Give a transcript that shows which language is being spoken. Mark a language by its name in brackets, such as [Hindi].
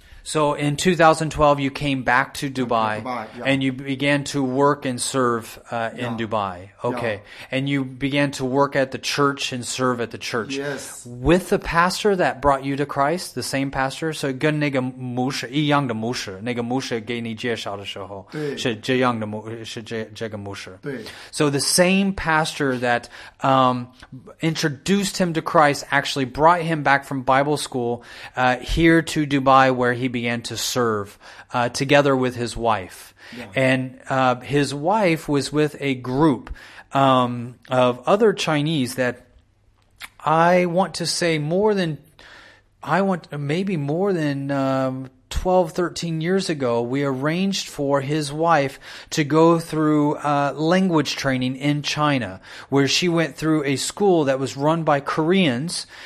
[English] So in 2012, you came back to Dubai, and you began to work and serve in Dubai. Okay. Yeah. And you began to work at the church and serve at the church. Yes. With the pastor that brought you to Christ, the same pastor. [Chinese] So 跟那个牧师一样的牧师，那个牧师给你介绍的时候，是这样的牧，是这个牧师。 [English] So the same pastor that introduced him to Christ actually brought him back from Bible school here to Dubai, where he began to serve together with his wife. Yeah. And his wife was with a group of other Chinese that I want to say more than, I want maybe more than 12, 13 years ago, we arranged for his wife to go through language training in China, where she went through a school that was run by Koreans,